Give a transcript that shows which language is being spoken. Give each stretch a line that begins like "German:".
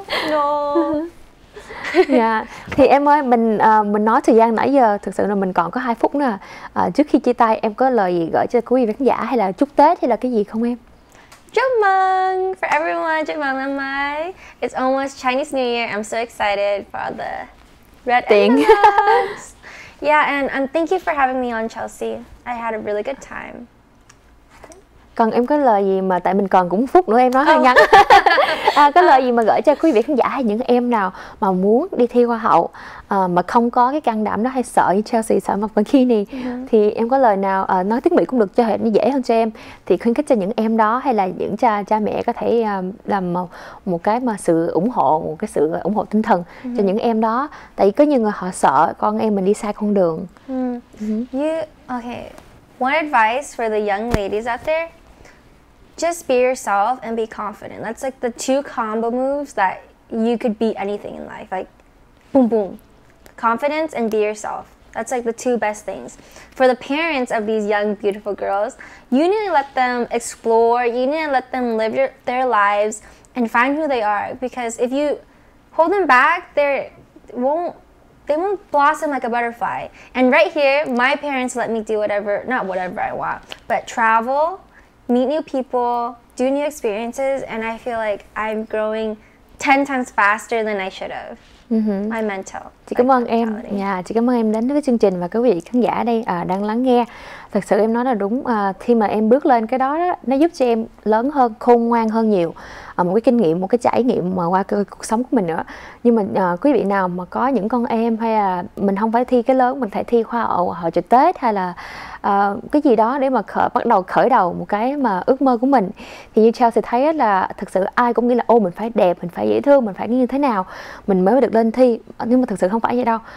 English: No.
Vietnamese: Thì em ơi, mình nói thời gian nãy giờ, thực sự là mình còn có 2 phút nữa. Trước khi chia tay, em có lời gì gửi cho quý vị khán giả, hay là chúc Tết hay là cái gì không em? Chúc mừng
English: for everyone,
Vietnamese: chúc mừng năm mới.
English: It's almost Chinese New Year, I'm so excited for all the red envelopes. Yeah, and thank you for having me on, Chelsea. I had a really good time. Còn em có lời gì mà, tại mình còn cũng phút nữa, em nói hơi ngắn. Có lời gì mà gửi cho quý vị khán giả hay những em nào mà muốn đi thi hoa hậu mà không có cái can đảm đó, hay sợ như Chelsea, sợ mặt bikini, thì em có lời nào, nói tiếng Mỹ cũng được cho hệ như dễ hơn cho em, thì khuyến khích cho những em đó hay là những cha mẹ có thể làm một cái mà sự ủng hộ, một cái sự ủng hộ tinh thần cho những em đó, tại vì có nhiều người họ sợ con em mình đi sai con đường. One advice for the young ladies out there: just be yourself and be confident. That's like the two combo moves that you could beat anything in life. Like, boom, boom. Confidence and be yourself. That's like the two best things. For the parents of these young, beautiful girls, you need to let them explore. You need to let them live their lives and find who they are. Because if you hold them back, they won't blossom like a butterfly. And right here, my parents let me do whatever, not whatever I want, but travel, meet new people, do new experiences, and I feel like I'm growing 10 times faster than I should have. My mental.
Vietnamese: Chị cảm ơn em. Chị cảm ơn em đến với chương trình và quý vị khán giả đây đang lắng nghe. Thật sự em nói là đúng, khi mà em bước lên cái đó, nó giúp cho em lớn hơn, khôn ngoan hơn nhiều. Một cái kinh nghiệm, một cái trải nghiệm mà qua cuộc sống của mình nữa. Nhưng mà quý vị nào mà có những con em, hay là mình không phải thi cái lớn, mình phải thi hoa hậu, hội chợ Tết, hay là cái gì đó để mà bắt đầu khởi đầu một cái mà ước mơ của mình, thì như Chelsea thấy là thực sự ai cũng nghĩ là ô, mình phải đẹp, mình phải dễ thương, mình phải như thế nào mình mới được lên thi. Nhưng mà thực sự không phải vậy đâu.